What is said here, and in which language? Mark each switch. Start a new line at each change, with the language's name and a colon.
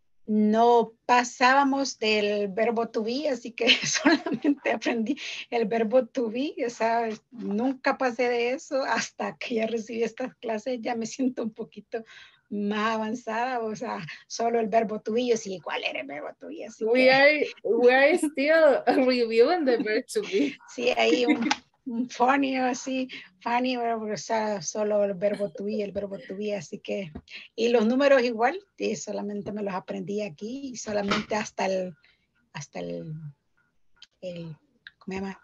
Spanish: no pasábamos del verbo to be, así que solamente aprendí el verbo to be, o sea, nunca pasé de eso hasta que ya recibí estas clases, ya me siento un poquito más avanzada, o sea, solo el verbo to be, yo sí, ¿cuál era el verbo to be? Así
English: we,
Spanish: que...
English: are, we are still reviewing the verb to be.
Spanish: Sí, ahí un funny, así, funny, verbo, o sea, solo el verbo to be, así que, y los números igual, y solamente me los aprendí aquí, y solamente hasta el, ¿cómo se llama?